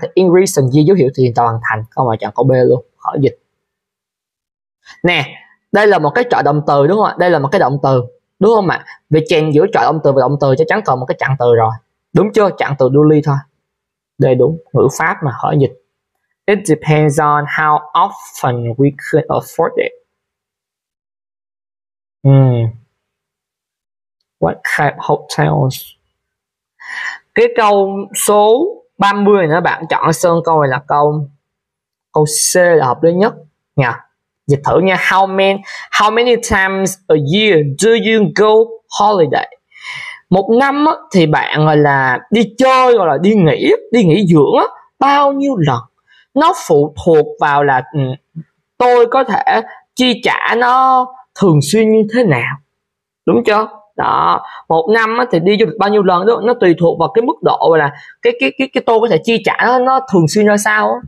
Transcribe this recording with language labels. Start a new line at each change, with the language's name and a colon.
Vietnamese: Thì
English: in recent year
Vietnamese: dấu hiệu thì hoàn thành. Không phải chọn câu B luôn, khỏi dịch. Nè, đây là một cái trợ động từ đúng không ạ? Đây là một cái động từ đúng không ạ? Vì chèn giữa trợ động từ và động từ chắc chắn còn một cái trạng từ rồi, đúng chưa? Trạng từ duly thôi. Đây đúng, ngữ pháp mà hỏi dịch.
English: It depends on how often we could afford it. What type of hotels?
Vietnamese: Cái câu số 30 nữa bạn chọn Sơn, câu này là câu C là hợp lý nhất nha. Dịch thử nha.
English: How many times a year do you go holiday?
Vietnamese: Một năm á, thì bạn gọi là đi chơi hoặc là đi nghỉ dưỡng á, bao nhiêu lần? Nó phụ thuộc vào là tôi có thể chi trả nó thường xuyên như thế nào, đúng chưa? Đó, một năm á, thì đi du lịch bao nhiêu lần đó, nó tùy thuộc vào cái mức độ là cái tôi có thể chi trả nó thường xuyên ra sao á.